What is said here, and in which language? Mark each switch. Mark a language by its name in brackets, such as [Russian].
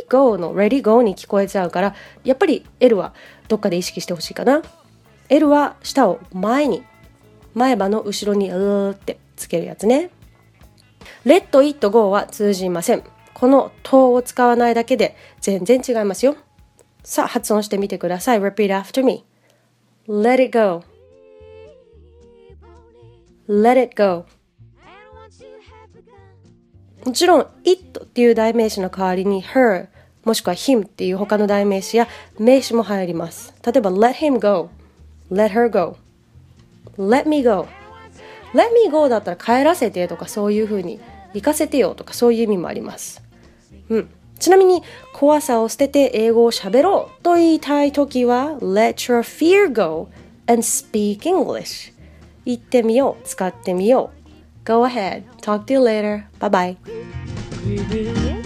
[Japanese] Go のレリーゴーに聞こえちゃうから、やっぱり L はどっかで意識してほしいかな。 L は舌を前に、前歯の後ろにうーってつけるやつね。 [English] Let it go [Japanese] は通じません。このトを使わないだけで全然違いますよ。さあ発音してみてください。 [English] Repeat after me. Let it go. Bye. Let it go。 [Japanese] もちろん it っていう代名詞の代わりに her もしくは him っていう他の代名詞や名詞も入ります。例えば [English] let him go、 let her go、 let me go。 let me go [Japanese] だったら帰らせてとかそういう風に行かせてよとかそういう意味もあります。うん、ちなみに怖さを捨てて英語を喋ろうと言いたいときは [English] Let your fear go and speak English。 [Japanese] 言ってみよう、使ってみよう。 [English] Go ahead, talk to you later, bye bye。